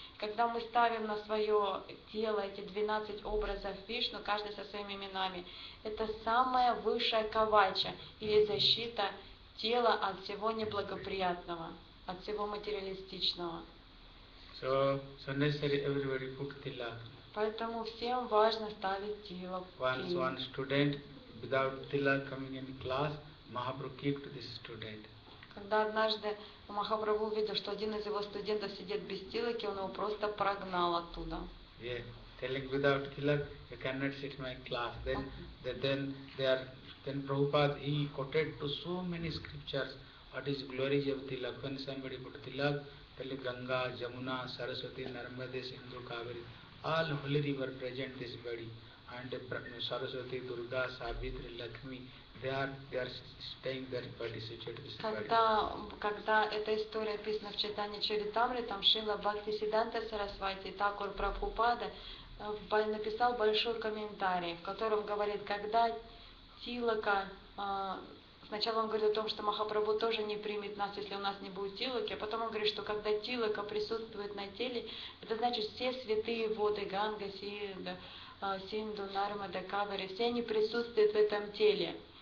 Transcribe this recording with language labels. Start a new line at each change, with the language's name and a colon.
Russian: Когда мы ставим на свое тело эти 12 образов Вишну, каждый со своими именами, это самая высшая кавача, или защита тела от всего неблагоприятного, от всего материалистичного.
English: So necessary everybody put tilaka.
Russian: Поэтому всем важно ставить тилаку.
English: Once one student without tilaka coming in class, Mahaprabhu kicked this student.
Russian: Когда однажды Махапрабху увидел, что один из его студентов сидит без тилаки, он его просто прогнал оттуда.
English: Yeah, telling without tilaka you cannot sit in my class. Then Prabhupada he quoted to so many scriptures what is glories of tilaka. When somebody put tilaka, telling Ganga, Jamuna, Saraswati, Narmada, Sindhu, Kaveri. All holy rivers present this body, and Saraswati, Durga, Savitri, Lakshmi, they are staying their body, situated this body.
Russian: Когда эта история описана в Чайтанья Чаритамритам, Шрила Бхактисиддханта Сарасвати Такур Прабхупада написал большой комментарий, в котором говорит, когда тилака, сначала он говорит о том, что Махапрабху тоже не примет нас, если у нас не будет тилаки, а потом он говорит, что когда тилака присутствует на теле, это значит, все святые воды, Ганга, Синду, Нармада, Кавери, все они присутствуют в этом теле.